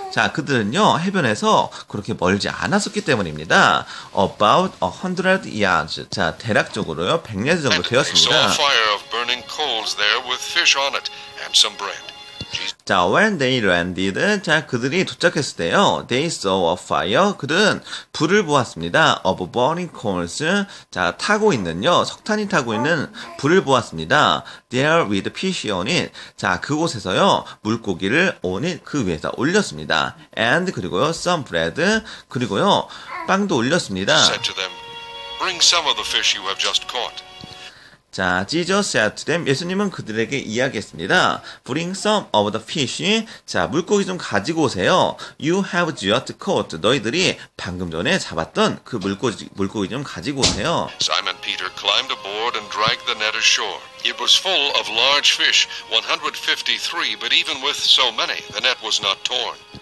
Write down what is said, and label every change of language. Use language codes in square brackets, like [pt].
[ko] 자, 그들은요, 해변에서 그렇게 멀지 않았었기 때문입니다. [en] About 100 yards. [ko] 자, 대략적으로요, 100m 정도 되었습니다. [en] And they saw a fire of burning coals there with fish on it and some bread. 자, when they landed, 자, [ko] 그들이 도착했을 때요, [en] they saw a fire, [ko] 그들은 불을 보았습니다. [en] Of burning coals, [ko] 자, 타고 있는요, 석탄이 타고 있는 불을 보았습니다. [en] There with fish on it, 자, [ko] 그곳에서요, [en] 물고기를 on it, 그 위에서 올렸습니다. [ko] And, 그리고요, some bread, 그리고요, 빵도 올렸습니다. [en] Said to them, bring some of the fish you have just caught. 자, Jesus said to them, [ko] 예수님은 그들에게 이야기했습니다. [en] Bring some of the fish. [ko] 자, 물고기 좀 가지고 오세요. [en] You have just caught. [ko] 너희들이 방금 전에 잡았던 그 물고기 좀 가지고 오세요. [en] Simon Peter climbed aboard and dragged the net ashore. It was full of large fish, 153, but even with so many, the net was not torn.